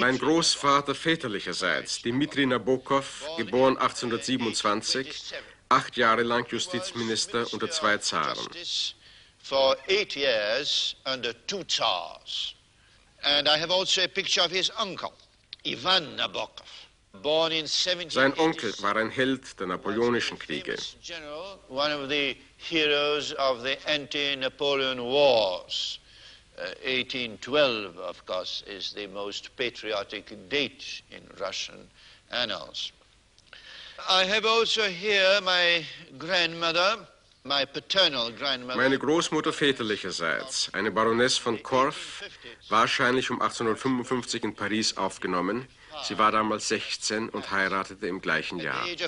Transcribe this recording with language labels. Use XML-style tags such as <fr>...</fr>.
<de>Mein Großvater väterlicherseits, Dmitri Nabokov, geboren 1827, 8 Jahre lang Justizminister unter 2 Zaren.</de> <en>For 8 years under 2 Tsars. And I have also a picture of his uncle, Ivan Nabokov, born in 1780.</en> <de>Sein Onkel war ein Held der napoleonischen Kriege.</de> <en>General, one of the heroes of the anti-Napoleon wars. 1812, of course, is the most patriotic date in Russian annals. I have also here my grandmother.</en> <de>Meine Großmutter väterlicherseits, eine Baroness von Korff, wahrscheinlich um 1855 in Paris aufgenommen. Sie war damals 16 und heiratete im gleichen Jahr.</de>